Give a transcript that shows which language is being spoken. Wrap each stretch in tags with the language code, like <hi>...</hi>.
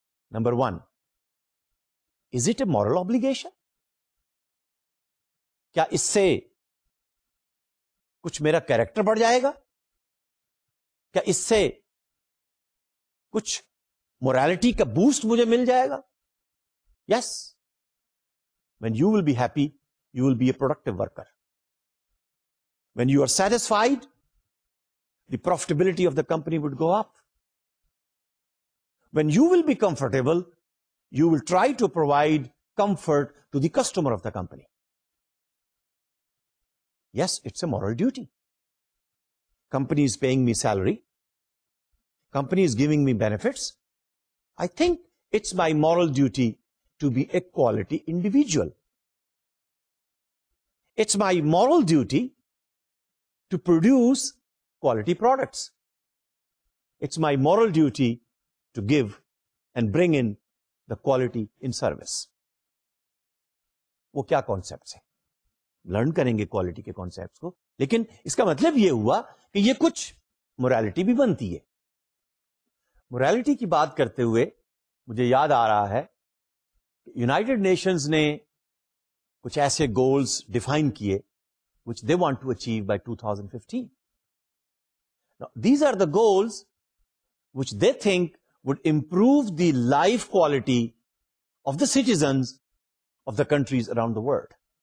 <en>Number one, Is it a moral obligation?</en> <ur>کیا اس سے کچھ میرا کیریکٹر بڑھ جائے گا کیا اس سے کچھ مورالٹی کا بوسٹ مجھے مل جائے گا Yes.</ur> <en>When you will be happy, you will be a productive worker. When you are satisfied, the profitability of the company would go up. When you will be comfortable, you will try to provide comfort to the customer of the company. Yes, it's a moral duty. Company is paying me salary. Company is giving me benefits. I think it's my moral duty to be a quality individual. It's my moral duty to produce quality products. It's my moral duty to give and bring in The quality in service.</en> <ur>وہ کیا concepts ہیں Learn کریں گے quality کے concepts کو لیکن اس کا مطلب یہ ہوا کہ یہ کچھ morality بھی بنتی ہے morality کی بات کرتے ہوئے مجھے یاد آ رہا ہے کہ United Nations نے کچھ ایسے goals define کیے</ur> <en>which they want to achieve by 2015. Now, these are the goals which they think would improve the life quality of the citizens of the countries around the world.</en>